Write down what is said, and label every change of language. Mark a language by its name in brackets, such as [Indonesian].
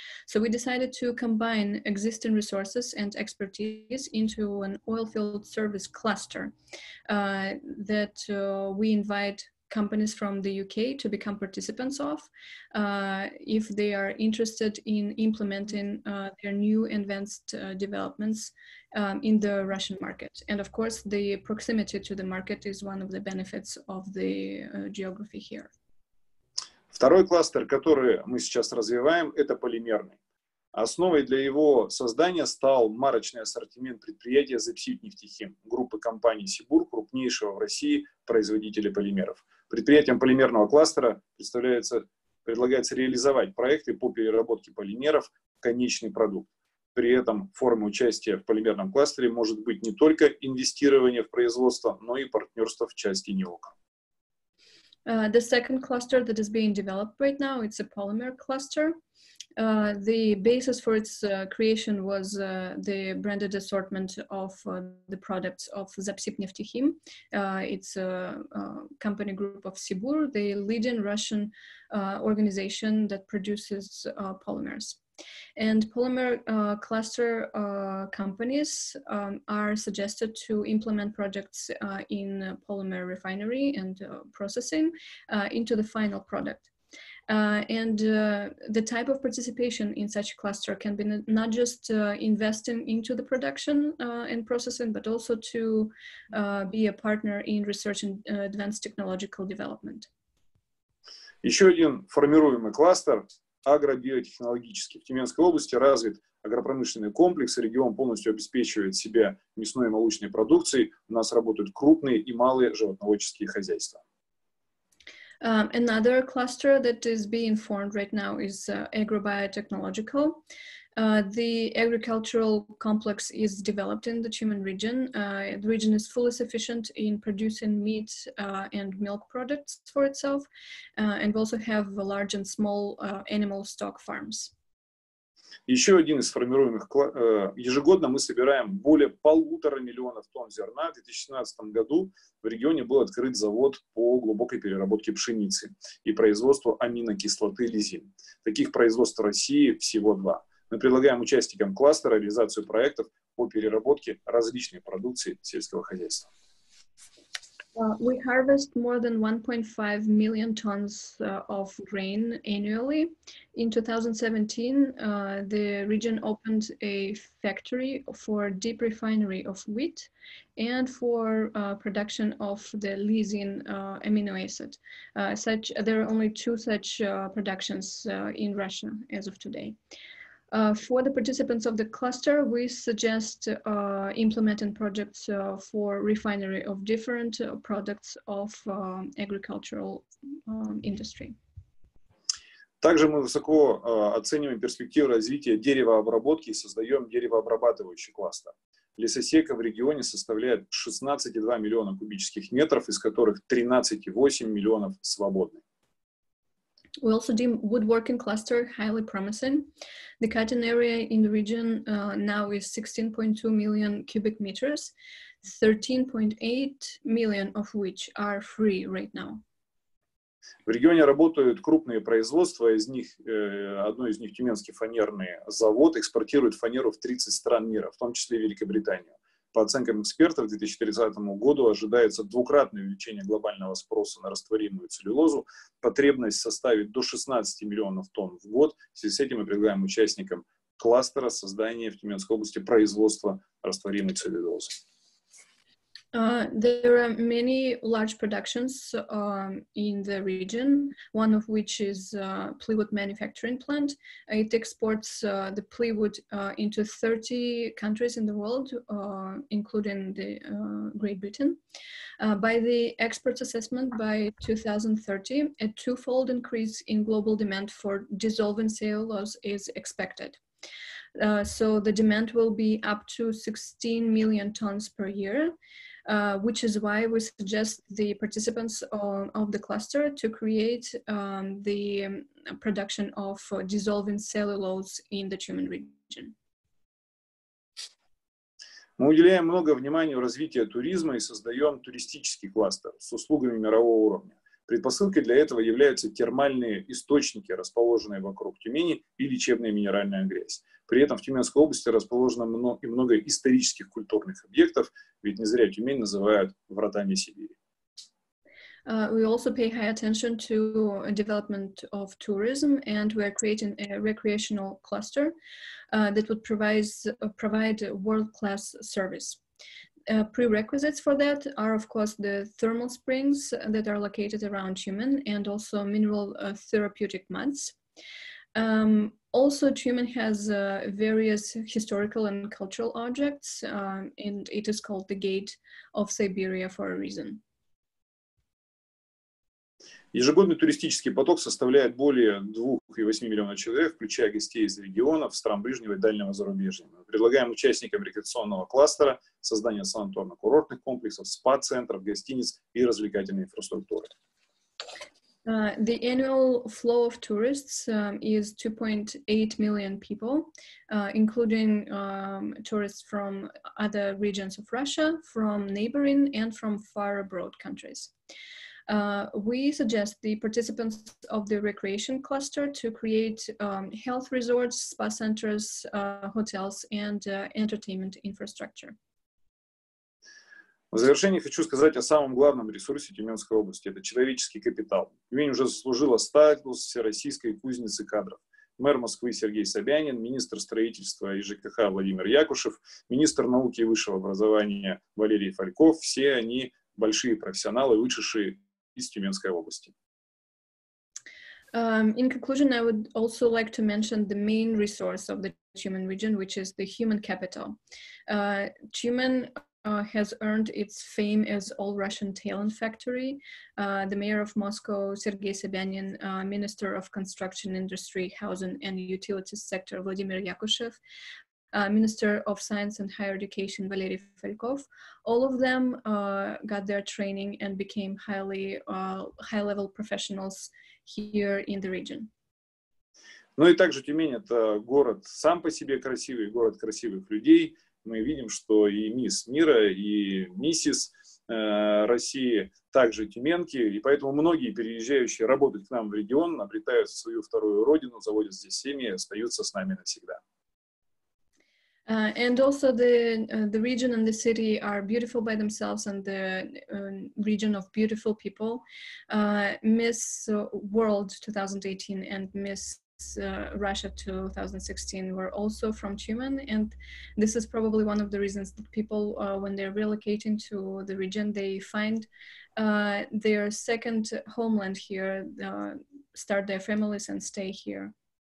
[English] So we decided to combine existing resources and expertise into an oil field service cluster that we invite companies from the UK to become participants of if they are interested in implementing their new advanced developments in the Russian market. And of course, the proximity to the market is one of the benefits of the geography here. [Russian] Второй кластер, который мы сейчас развиваем, это полимерный. Основой для его создания стал марочный ассортимент предприятия «Зепсибнефтехим» группы компаний «Сибур», крупнейшего в России производителя полимеров. Предприятиям полимерного кластера предлагается реализовать проекты по переработке полимеров в конечный продукт. При этом формой участия в полимерном кластере может быть не только инвестирование в производство, но и партнерство в части НИОК. [English] The second cluster that is being developed right now, it's a polymer cluster. The basis for its creation was the branded assortment of the products of Zapsibneftekhim. It's a company group of Sibur, the leading Russian organization that produces polymers. And polymer cluster companies are suggested to implement projects in polymer refinery and processing into the final product. And the type of participation in such a cluster can be not just investing into the production and processing, but also to be a partner in research and advanced technological development. [Russian] Еще один формируемый кластер агробиотехнологический. В Тюменской области развит агропромышленный комплекс, регион полностью обеспечивает себя мясной и молочной продукцией. У нас работают крупные и малые животноводческие хозяйства. [English] Another cluster that is being formed right now is agrobiotechnological. The agricultural complex is developed in the Tumen region. The region is fully sufficient in producing meat and milk products for itself, and we also have a large and small animal stock farms. [Russian] Еще один из формируемых ежегодно мы собираем более 1,5 миллиона тонн зерна. В 2016 году в регионе был открыт завод по глубокой переработке пшеницы и производству аминокислоты лизин. Таких производств в России всего два. Мы предлагаем участникам кластера реализацию проектов по переработке различной продукции сельского хозяйства. [English] We harvest more than 1.5 million tons of grain annually. In 2017, the region opened a factory for deep refinery of wheat and for production of the lysine amino acid. There are only two such productions in Russia as of today. For the participants of the cluster, we suggest implementing projects for refinery of different products of agricultural industry. [Russian] Также мы высоко оцениваем перспективы развития деревообработки и создаем деревообрабатывающий кластер. Лесосека в регионе составляет 16,2 миллиона кубических метров, из которых 13,8 миллионов свободны. [English] We also deem woodworking cluster highly promising. The cutting area in the region now is 16.2 million cubic meters, 13.8 million of which are free right now. [Russian] В регионе работают крупные производства, из них одно из них Тюменский фанерный завод экспортирует фанеру в 30 стран мира, в том числе Великобританию. По оценкам экспертов, к 2030 году ожидается двукратное увеличение глобального спроса на растворимую целлюлозу. Потребность составит до 16 миллионов тонн в год. В связи с этим мы предлагаем участникам кластера создания в Тюменской области производства растворимой целлюлозы. [English] There are many large productions in the region, one of which is a plywood manufacturing plant. It exports the plywood into 30 countries in the world, including the Great Britain. By the experts' assessment, by 2030, a twofold increase in global demand for dissolving cellulose is expected. So the demand will be up to 16 million tons per year. Which is why we suggest the participants of the cluster to create the production of dissolving cellulose in the Tumen region. [Russian] Мы уделяем много внимания развитию туризма и создаем туристический кластер с услугами мирового уровня. Предпосылкой для этого являются термальные источники, расположенные вокруг Тюмени, и лечебная минеральная грязь. При этом в Тюменской области расположено много исторических культурных объектов, ведь не зря Тюмень называют вратами Сибири. [English] We also pay high attention to development of tourism, and we are creating a recreational cluster that would provide world-class service. Prerequisites for that are, of course, the thermal springs that are located around Tumen and also mineral therapeutic muds. Also, Tumen has various historical and cultural objects, and it is called the Gate of Siberia for a reason. [Russian] Ежегодный туристический поток составляет более 2,8 миллиона человек, включая гостей из регионов, стран ближнего и дальнего зарубежья. Мы предлагаем участникам рекреационного кластера создание санаторно-курортных комплексов, спа-центров, гостиниц и развлекательной инфраструктуры. [English] The annual flow of tourists is 2.8 million people, including tourists from other regions of Russia, from neighboring and from far abroad countries. We suggest the participants of the recreation cluster to create health resorts, spa centers, hotels and entertainment infrastructure. [Russian] В завершение хочу сказать о самом главном ресурсе Тюменской области – это человеческий капитал. Тюмень уже заслужила статус всероссийской кузницы кадров. Мэр Москвы Сергей Собянин, министр строительства и ЖКХ Владимир Якушев, министр науки и высшего образования Валерий Фальков – все они большие профессионалы, вышедшие из Тюменской области. [English] In conclusion, I would also like to mention the main resource of the Tumen region, which is the human capital. Tumen has earned its fame as all-Russian talent factory. The mayor of Moscow, Sergei Sobyanin, minister of construction industry, housing and utilities sector, Vladimir Yakushev, Minister of Science and Higher Education, Valery Falkov, all of them got their training and became highly high-level professionals here in the region. [Russian] Ну и также Тюмень — это город сам по себе красивый, город красивых людей. Мы видим, что и мисс мира, и миссис России также тюменки, и поэтому многие переезжающие работать к нам в регион обретают свою вторую родину, заводят здесь семьи, остаются с нами навсегда. [English] And also the region and the city are beautiful by themselves and the region of beautiful people. Miss World 2018 and Miss Russia 2016 were also from Tumen, and this is probably one of the reasons that people, when they're relocating to the region, they find their second homeland here, start their families and stay here.